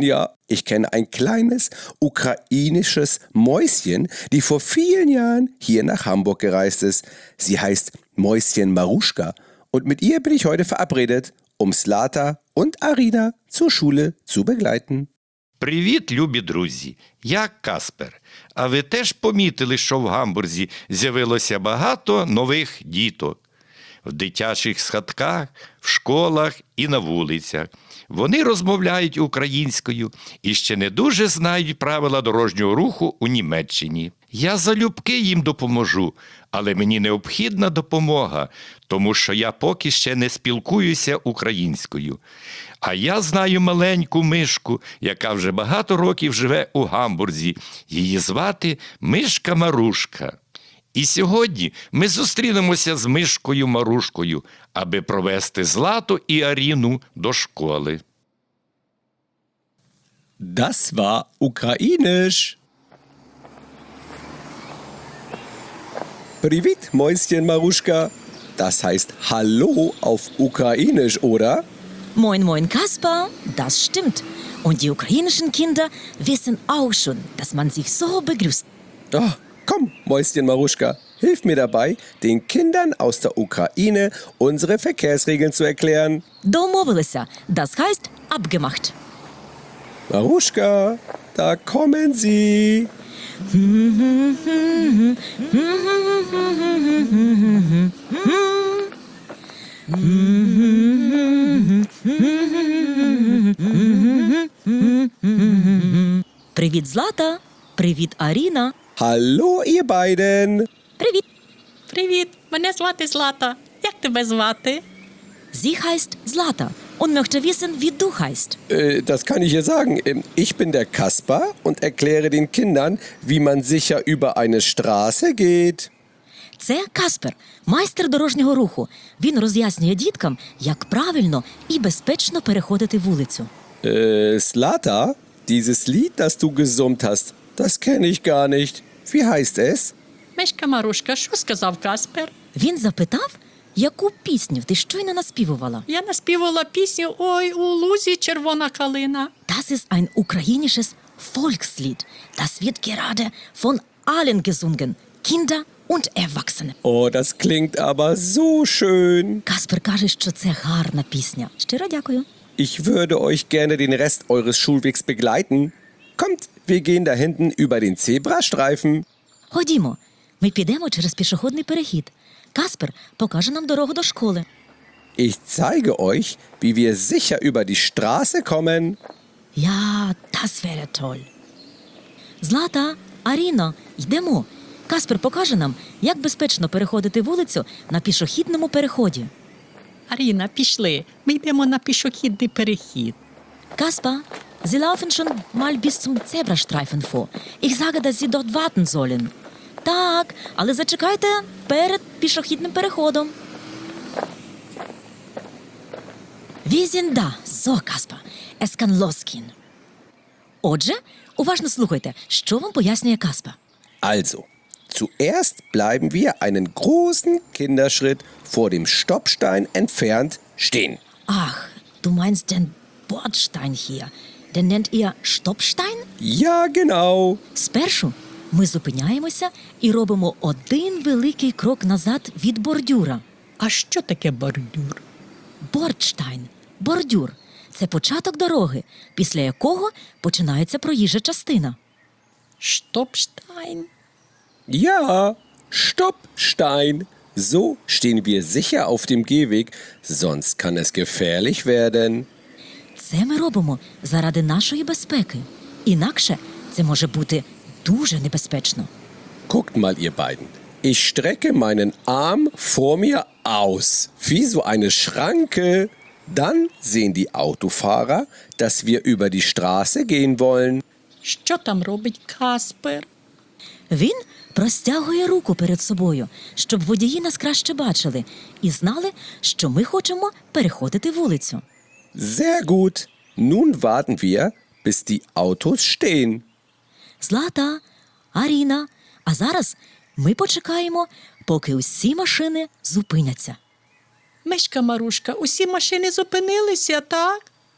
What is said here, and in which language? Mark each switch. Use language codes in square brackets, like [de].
[de] Ja, ich kenne ein kleines ukrainisches Mäuschen, die vor vielen Jahren hier nach Hamburg gereist ist. Sie heißt Mäuschen Maruschka und mit ihr bin ich heute verabredet, um Slata und Arina zur Schule zu begleiten. [uk] Привіт, любі друзі! Я Каспер. А ви теж помітили, що в Гамбурзі з'явилося багато нових діток? В дитячих схатках, в школах і на вулицях. Вони розмовляють українською і ще не дуже знають правила дорожнього руху у Німеччині. Я залюбки їм допоможу, але мені необхідна допомога, тому що я поки ще не спілкуюся українською. А я знаю маленьку мишку, яка вже багато років живе у Гамбурзі. Її звати Мишка Марушка. І сьогодні ми зустрінемося з Мишкою Марушкою, аби провести Злату і Аріну до школи. [de] Das war ukrainisch. [uk] Привіт, Мойсьєн Марушка. [de] Das heißt hallo auf ukrainisch, oder? Moin, moin, Kasper. Das stimmt. Und die ukrainischen Kinder wissen auch schon, dass man sich so begrüßt. Oh. Komm, Mäuschen Maruschka, hilf mir dabei, den Kindern aus der Ukraine unsere Verkehrsregeln zu erklären. [uk] Домовилися, [de] das heißt abgemacht. Maruschka, da kommen sie. [uk] Привіт, Злата. Привіт, Аріна. [de] Hallo, ihr beiden! [uk] Привіт! Привіт! Мене звати Злата. Як тебе звати? [de] Sie heißt Злата und möchte wissen, wie du heißt. Das kann ich ihr sagen. Ich bin der Kasper und erkläre den Kindern, wie man sicher über eine Straße geht. [uk] Це Каспер, майстер дорожнього руху. Він роз'яснює діткам, як правильно і безпечно переходити вулицю. [de] Злата, dieses Lied, das du gesummt hast, das kenne ich gar nicht. Wie heißt es? [uk] Мишка Марушка, що сказав Каспер? Він запитав, яку пісню ти щойно наспівувала. Я наспівувала пісню «Ой, у лузі червона калина». [de] Das ist ein ukrainisches Volkslied. Das wird gerade von allen gesungen. Kinder und Erwachsene. Oh, das klingt aber so schön. [uk] Каспер каже, що це гарна пісня. Щиро дякую. [de] Ich würde euch gerne den Rest eures Schulwegs begleiten. Kommt, wir gehen da hinten über den Zebrastreifen. [uk] Ходімо. Ми підемо через пішохідний перехід. Каспер покаже нам дорогу до школи. [de] Ich zeige euch, wie wir sicher über die Straße kommen. Ja, das wäre toll. Злата, Аріна, [uk] йдемо. Каспер покаже нам, як безпечно переходити вулицю на пішохідному переході. Аріна, пішли. Ми йдемо на пішохідний перехід. [de] Каспер, Sie laufen schon mal bis zum Zebrastreifen vor. Ich sage, dass Sie dort warten sollen. [uk] Так, але зачекайте перед пішохідним переходом. [de] Wir sind da. So, Kasper, es kann losgehen. [uk] Отже, уважно слухайте, що вам пояснює Kasper. [de] Also, zuerst bleiben wir einen großen Kinderschritt vor dem Stoppstein entfernt stehen. Ach, du meinst den Bordstein hier. Den nennt ihr Stoppstein? Ja, genau. [uk] Спершу ми зупиняємося і робимо один великий крок назад від бордюра. А що таке бордюр? Бордштайн. Бордюр. Це початок дороги, після якого починається проїжджа частина. Штопштайн. [de] Ja, Stoppstein. So stehen wir sicher auf dem Gehweg, sonst kann es gefährlich werden. [uk] Це ми робимо заради нашої безпеки. Інакше це може бути дуже небезпечно. [de] Guckt mal, ihr beiden. Ich strecke meinen Arm vor mir aus, wie so eine Schranke. Dann sehen die Autofahrer, dass wir über die Straße gehen wollen. [uk] Що там робить Каспер? Він простягує руку перед собою, щоб водії нас краще бачили і знали, що ми хочемо переходити вулицю. [de] Sehr gut. Nun warten wir, bis die Autos stehen. [uk] Злата, Аріна, а зараз ми почекаємо, поки усі машини зупиняться. Мишка Марушка, усі машини зупинилися, так?